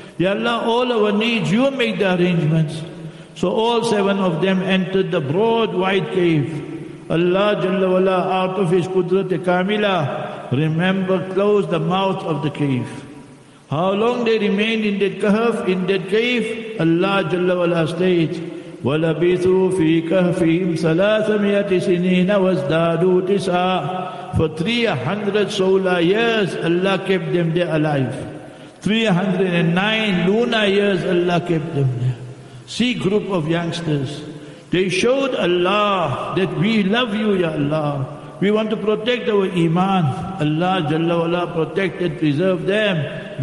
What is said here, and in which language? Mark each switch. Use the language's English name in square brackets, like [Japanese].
[English] Ya Allah, all our needs, you make the arrangements. So all seven of them entered the broad wide cave. Allah Jalla wa Allah, out of his Qudrat Kamila, remember, close the mouth of the cave. How long they remained in that kahf, in that cave? Allah Jalla wa Ala states, [Arabic] وَلَبِثُوا فِي كَهْفِهِمْ ثَلَاثَ مِيَةِ سِنِينَ وَازْدَادُوا تِسْعًا. [English] For 300 solar years, Allah kept them there alive. 309 lunar years, Allah kept them there. See, group of youngsters, they showed Allah that we love you, Ya Allah. We want to protect our Iman. Allah Jalla wa Ala protected, preserved them.